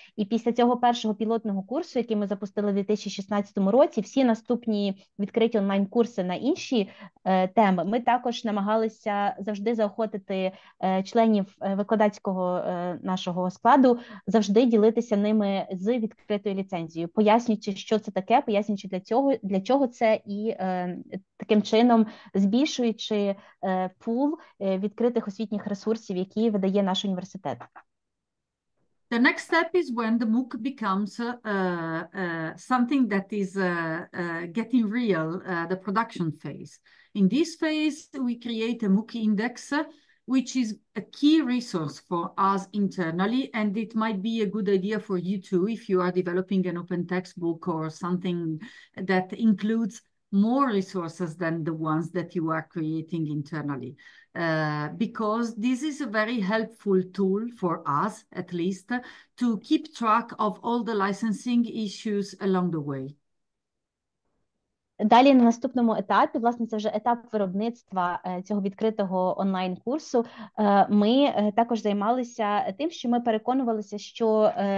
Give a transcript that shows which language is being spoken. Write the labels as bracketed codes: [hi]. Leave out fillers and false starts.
[uk] І після цього першого пілотного курсу, який ми запустили в 2016 році, всі наступні відкриті онлайн-курси на інші теми, ми також намагалися завжди заохотити членів викладацького нашого складу, завжди ділитися ними з відкритою ліцензією, пояснюючи, що це таке, пояснюючи для чого це, і таким чином збільшуючи пул відкритих освітніх ресурсів, які видає наш університет. [en] The next step is when the MOOC becomes something that is getting real, the production phase. In this phase, we create a MOOC index, which is a key resource for us internally, and it might be a good idea for you too if you are developing an open textbook or something that includes more resources than the ones that you are creating internally. Because this is a very helpful tool for us, at least, to keep track of all the licensing issues along the way. [uk] Далі на наступному етапі, власне, це вже етап виробництва цього відкритого онлайн-курсу, ми також займалися тим, що ми переконувалися, що